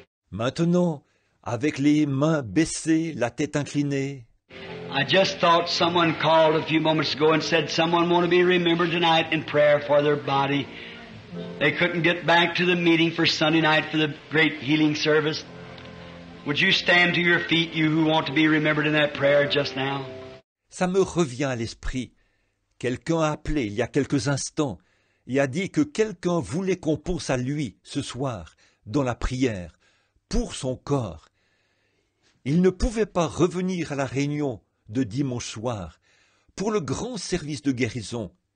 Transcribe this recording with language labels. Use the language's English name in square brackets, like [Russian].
[French] Maintenant, avec les mains baissées, la tête inclinée, [English] I just thought someone called a few moments ago and said someone want to be remembered tonight in prayer for their body. They couldn't get back to the meeting for Sunday night for the great healing service. Would you stand to your feet, you who want to be remembered in that prayer just now? [French] Ça me revient à l'esprit. Quelqu'un a appelé il y a quelques instants et a dit que quelqu'un voulait qu'on pense à lui ce soir dans la prière pour son corps. Il ne pouvait pas revenir à la réunion de dimanche soir pour le grand service de guérison.